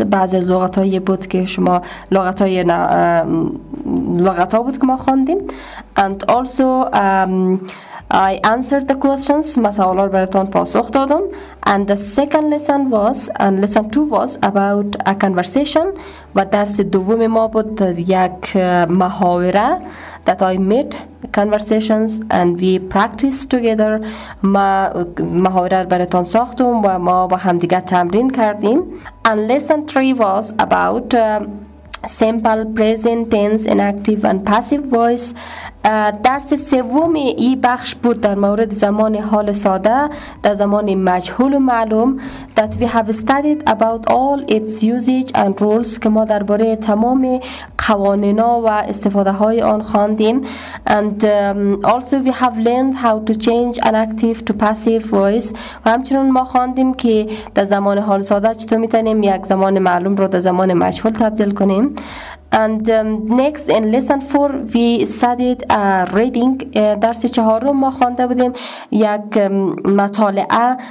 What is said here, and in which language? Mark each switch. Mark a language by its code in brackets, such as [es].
[fa] بعضی از لغت هایی بود که شما لغت ها بود که ما خواندیم. [en] And also I answered the questions. [fa] ما سوال ها براتون پاسخ دادم. [en] And the second lesson was, and lesson 2 was about a conversation. [fa] و درس دوم ما بود یک محاوره. [en] That I made conversations and we practiced together. [fa] ما محاوره براتون ساختم و ما با همدیگه تمرین کردیم. [en] And lesson 3 was about simple present tense, inactive and passive voice. [fa] درس سوم این بخش بود در مورد زمان حال ساده در زمان مجهول و معلوم. [en] That we have studied about all its usage and rules. [fa] که ما درباره تمام قوانین و استفاده های آن خواندیم. [en] And also we have learned how to change an active to passive voice. [fa] و همچنان ما خواندیم که در زمان حال ساده چطور میتونیم یک زمان معلوم رو در زمان مجهول تبدیل کنیم. [en] And next in lesson 4 we studied reading. [fa] درس چهارم ما خوانده بودیم یک مطالعه.